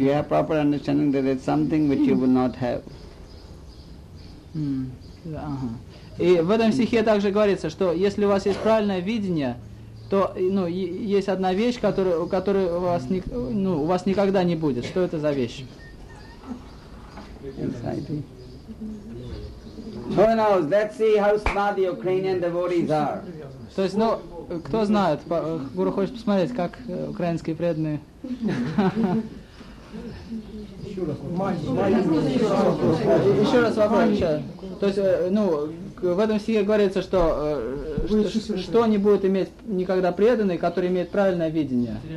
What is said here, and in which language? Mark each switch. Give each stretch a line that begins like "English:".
English: you have proper understanding, there is something which you will not have. Hmm. Uh-huh.
Russian: И в этом стихе также говорится, что если у вас есть правильное видение, то ну, есть одна вещь, которая у вас не, ну, у вас никогда не будет. Что это за вещь?
English: Who knows? Let's see how smart the Ukrainian devotees are.
Russian: То есть, ну, кто знает, гуру хочет посмотреть, как украинские преданные. Еще раз вопрос. То есть, ну, в этом стихе говорится, что что не будет иметь никогда преданный, который имеет правильное видение.